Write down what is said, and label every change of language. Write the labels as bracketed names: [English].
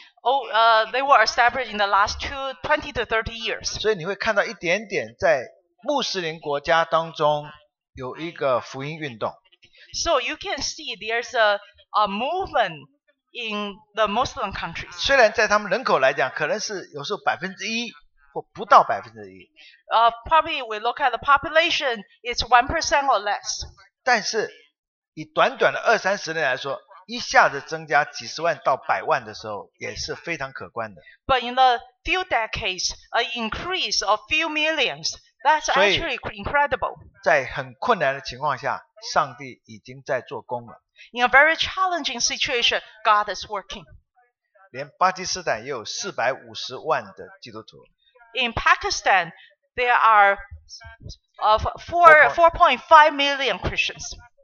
[English] They were established in the last 20 to 30 years. [Chinese] 所以你会看到一点点在穆斯林国家当中有一个福音运动。 [English] So you can see there's a movement in the Muslim countries. [Chinese] 虽然在他们人口来讲，可能是有时候1%或不到1%。 [English] Probably we look at the population, it's 1% or less. [Chinese] 但是以短短的20-30年来说，一下子增加几十万到百万的时候，也是非常可观的。 [English] But in the few decades, an increase of few millions, that's actually incredible. [Chinese] 在很困难的情况下，上帝已经在做工了。 [English] In a very challenging situation, God is working. [Chinese] 连巴基斯坦也有450万的基督徒。 [English] In Pakistan, there are four point five million Christians.